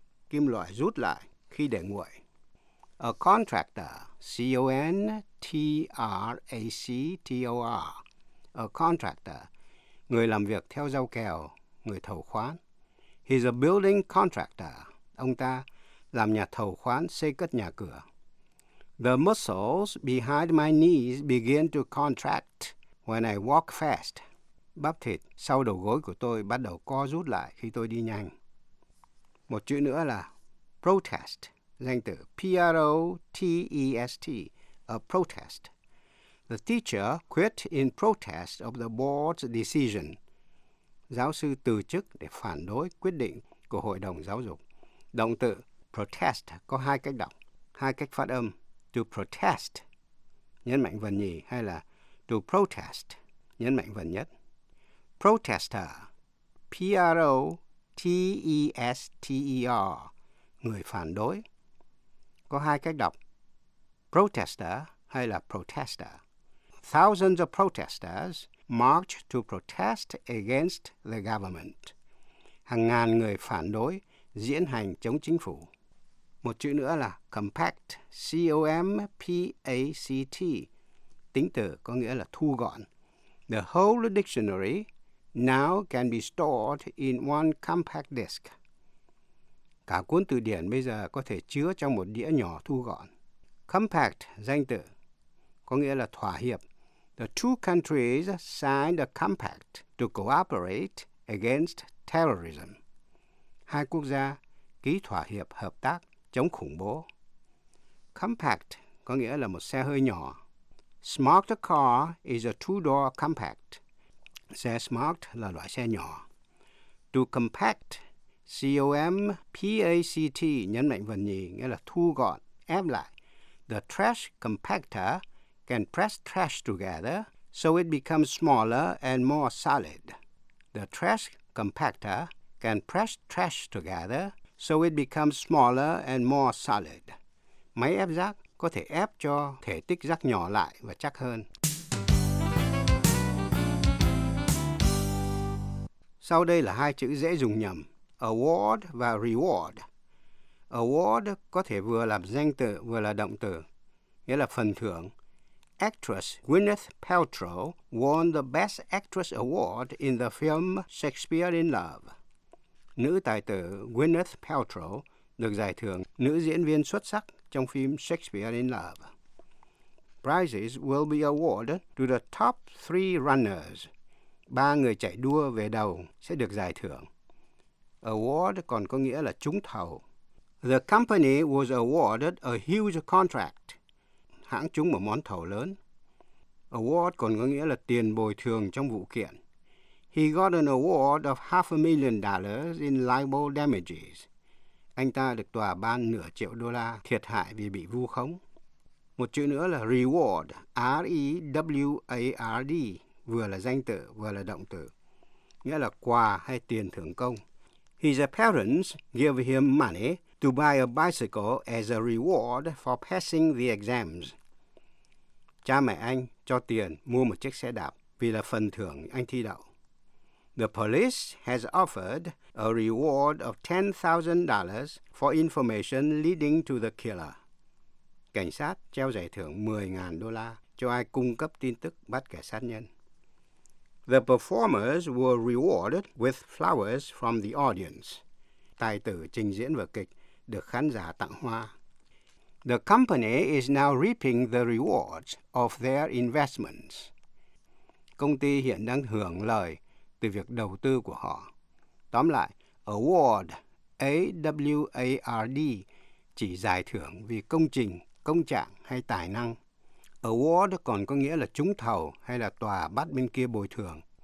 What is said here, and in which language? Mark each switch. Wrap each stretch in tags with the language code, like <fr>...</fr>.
<vi>Kim loại rút lại khi để nguội. A contractor, C-O-N-T-R-A-C-T-O-R, a contractor, người làm việc theo giao kèo, người thầu khoán.</vi> <en>He's a building contractor,</en> <vi>ông ta làm nhà thầu khoán xây cất nhà cửa.</vi> <en>The muscles behind my knees begin to contract when I walk fast.</en> <vi>Bắp thịt sau đầu gối của tôi bắt đầu co rút lại khi tôi đi nhanh. Một chữ nữa là protest. Danh từ P-R-O-T-E-S-T, a protest.</vi> <en>The teacher quit in protest of the board's decision.</en> <vi>Giáo sư từ chức để phản đối quyết định của hội đồng giáo dục. Động từ protest có hai cách đọc, hai cách phát âm. To protest, nhấn mạnh vần nhì, hay là to protest, nhấn mạnh vần nhất. Protester, P-R-O-T-E-S-T-E-R, người phản đối. Có hai cách đọc, protester hay là protester.</vi> <en>Thousands of protesters marched to protest against the government.</en> <vi>Hàng ngàn người phản đối, diễn hành chống chính phủ. Một chữ nữa là compact, C-O-M-P-A-C-T. Tính từ có nghĩa là thu gọn.</vi> <en>The whole dictionary now can be stored in one compact disc.</en> <vi>Cả cuốn từ điển bây giờ có thể chứa trong một đĩa nhỏ thu gọn. Compact, danh từ, có nghĩa là thỏa hiệp,</vi> <en>the two countries signed a compact to cooperate against terrorism.</en> <vi>Hai quốc gia ký thỏa hiệp hợp tác chống khủng bố. Compact có nghĩa là một xe hơi nhỏ.</vi> <en>Smart car is a two-door compact.</en> <vi>Xe smart là loại xe nhỏ. To compact, C-O-M-P-A-C-T, nhấn mạnh vần nhì, nghĩa là thu gọn, ép lại.</vi> <en>The trash compactor can press trash together so it becomes smaller and more solid. The trash compactor can press trash together so it becomes smaller and more solid.</en> <vi>Máy ép rác có thể ép cho thể tích rác nhỏ lại và chắc hơn. Sau đây là hai chữ dễ dùng nhầm, award và reward. Award có thể vừa làm danh từ vừa là động từ, nghĩa là phần thưởng.</vi> <en>Actress Gwyneth Paltrow won the Best Actress Award in the film Shakespeare in Love.</en> <vi>Nữ tài tử Gwyneth Paltrow được giải thưởng nữ diễn viên xuất sắc trong phim Shakespeare in Love.</vi> <en>Prizes will be awarded to the top three runners.</en> <vi>Ba người chạy đua về đầu sẽ được giải thưởng. Award còn có nghĩa là trúng thầu.</vi> <en>The company was awarded a huge contract.</en> <vi>Hãng trúng một món thầu lớn. Award còn có nghĩa là tiền bồi thường trong vụ kiện.</vi> <en>He got an award of $500,000 in libel damages.</en> <vi>Anh ta được tòa ban nửa triệu đô la thiệt hại vì bị vu khống. Một chữ nữa là reward, R-E-W-A-R-D, vừa là danh từ vừa là động từ, nghĩa là quà hay tiền thưởng công.</vi> <en>His parents gave him money to buy a bicycle as a reward for passing the exams.</en> <vi>Cha mẹ anh cho tiền mua một chiếc xe đạp vì là phần thưởng anh thi đậu.</vi> <en>The police has offered a reward of $10,000 for information leading to the killer.</en> <vi>Cảnh sát treo giải thưởng $10,000 cho ai cung cấp tin tức bắt kẻ sát nhân.</vi> <en>The performers were rewarded with flowers from the audience.</en> <vi>Tài tử trình diễn vở kịch được khán giả tặng hoa.</vi> <en>The company is now reaping the rewards of their investments.</en> <vi>Công ty hiện đang hưởng lợi từ việc đầu tư của họ. Tóm lại, award, A-W-A-R-D, chỉ giải thưởng vì công trình, công trạng hay tài năng. Award còn có nghĩa là trúng thầu hay là tòa bắt bên kia bồi thường.</vi>